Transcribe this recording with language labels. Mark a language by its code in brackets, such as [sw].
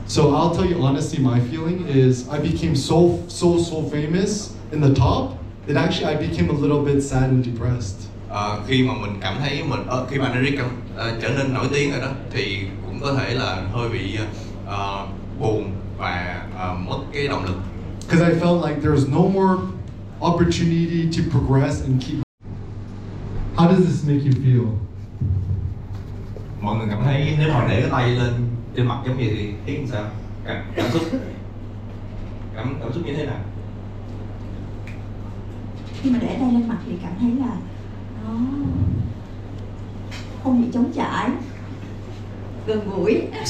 [en] So I'll tell you honestly, my feeling is I became so famous in the top that actually I became a little bit sad and depressed. [vi] Khi mà mình cảm thấy mình khi mà Eric trở nên nổi tiếng rồi đó thì cũng có thể là hơi bị buồn và mất cái động lực. [en] Because I felt like there's no more opportunity to progress and keep. How does this make you feel? [vi] Mọi người cảm thấy nếu mà để cái tay lên trên mặt giống vậy thì thấy như sao? Cảm xúc như thế nào? Khi mà để tay lên mặt thì cảm thấy là nó không bị chống chải, gần gũi.